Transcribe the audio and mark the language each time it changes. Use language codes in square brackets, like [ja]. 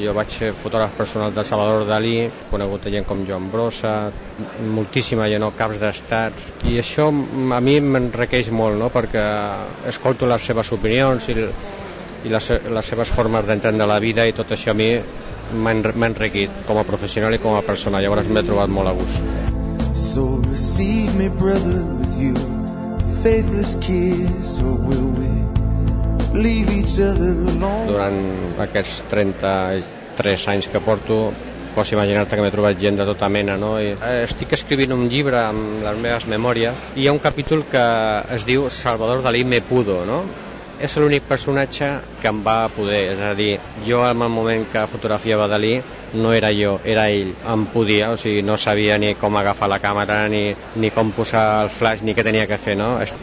[ca] Jo vaig ser fotògraf personal de Salvador Dalí, he conegut gent com Joan Brossa, moltíssima gent, no? Caps d'estat, i això a mi m'enriqueix molt, no? Perquè escolto les seves opinions i les seves formes d'entendre la vida, i tot això a mi m'ha enriquit com a professional i com a persona. Llavors m'he trobat molt a gust. [en] So receive me, brother, with you faithless kiss, or will we leave each other alone? [ca] Durant aquests 33 anys que porto, pots imaginar-te que m'he trobat gent de tota mena, no? I estic escrivint un llibre amb les meves memòries, i hi ha un capítol que es diu Salvador Dalí [es] me pudo, [ca] no? És l'únic personatge que em va poder, és a dir, jo en el moment que fotografiava Dalí no era jo, era ell, em podia, o sigui, no sabia ni com agafar la càmera, ni com posar el flash, ni què tenia que fer, no?